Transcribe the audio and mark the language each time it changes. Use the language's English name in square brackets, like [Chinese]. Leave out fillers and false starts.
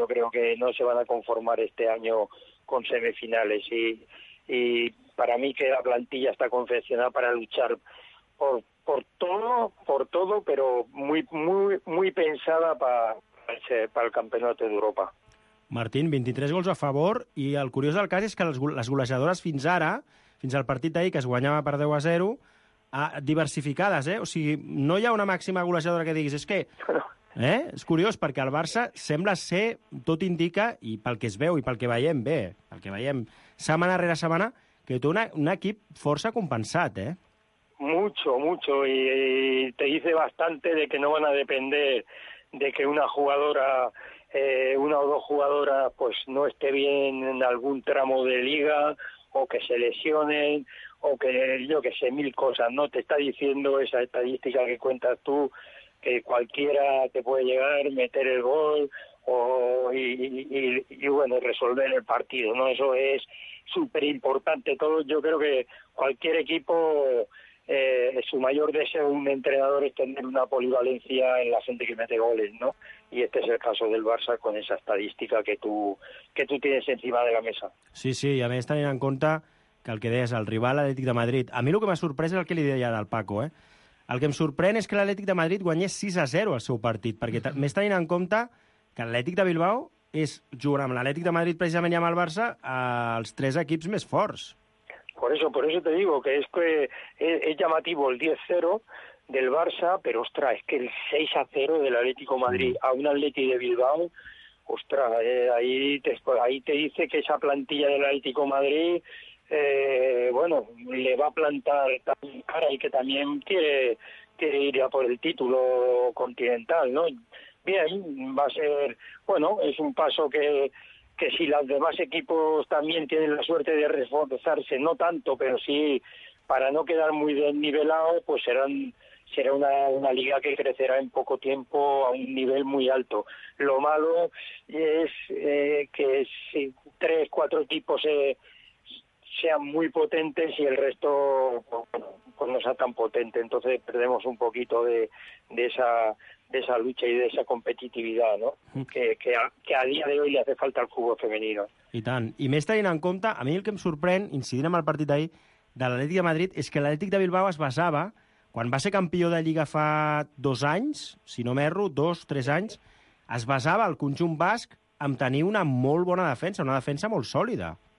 [Spanish] Yo creo que no se van a conformar este año con semifinales y para mí que la plantilla está confeccionada para luchar por todo, pero muy muy muy pensada para el campeonato de Europa. [Catalan] Martín, 23 gols a favor, i el curiós del cas és que les golejadores fins ara, fins al partit d'ahir, que es guanyava per 10-0, diversificades, eh? O sigui, no hi ha una màxima golejadora que diguis, és que... Eh? És curiós, perquè el Barça sembla ser, tot indica, i pel que es veu i pel que veiem setmana rere setmana, que té un equip força compensat, eh? [Spanish] Mucho, y te dice bastante de que no van a depender de que una jugadora, una o dos jugadoras, pues no esté bien en algún tramo de liga, o que se lesionen, o que, yo que sé, mil cosas, ¿no? Te está diciendo esa estadística que cuentas tú, que cualquiera te puede llegar, meter el gol, y bueno, resolver el partido, ¿no? Eso es súper importante. Todo, yo creo que cualquier equipo... su mayor deseo de un entrenador es tener una polivalencia en la gente que mete goles, ¿no? Y este es el caso del Barça con esa estadística que tú tienes encima de la mesa. [Catalan] Sí, sí, i a més tenint en compte que el que deies, el rival Atlètic de Madrid... A mi el que m'ha sorprès és el que li deia ara al Paco, eh? El que em sorprèn és que l'Atlètic de Madrid guanyés 6-0 al seu partit, perquè més tenint en compte que l'Atlètic de Bilbao és, jugant amb l'Atlètic de Madrid precisament i amb el Barça, els tres equips més forts. [Spanish] Por eso te digo que es que es llamativo el 10-0 del Barça, pero ostras, es que el 6-0 del Atlético Madrid a un Atleti de Bilbao, ostras, ahí te dice que esa plantilla del Atlético Madrid, bueno, le va a plantar tan cara y que también quiere ir a por el título continental, ¿no? Bien, va a ser, bueno, es un paso que si los demás equipos también tienen la suerte de reforzarse, no tanto, pero sí para no quedar muy desnivelado, pues será una liga que crecerá en poco tiempo a un nivel muy alto. Lo malo es que si tres, cuatro equipos sean muy potentes y el resto pues no sea tan potente, entonces perdemos un poquito de esa lucha y de esa competitividad, ¿no? Que a día de hoy le hace falta al fútbol femenino. [Catalan] I tant. I més tenint en compte, a mi el que em sorprèn, incidint en el partit d'ahir, de l'Atlètic de Madrid, és que l'Atlètic de Bilbao es basava, quan va ser campió de Lliga fa dos anys, si no m'erro, dos, tres anys, es basava el conjunt basc en tenir una molt bona defensa, una defensa molt sòlida.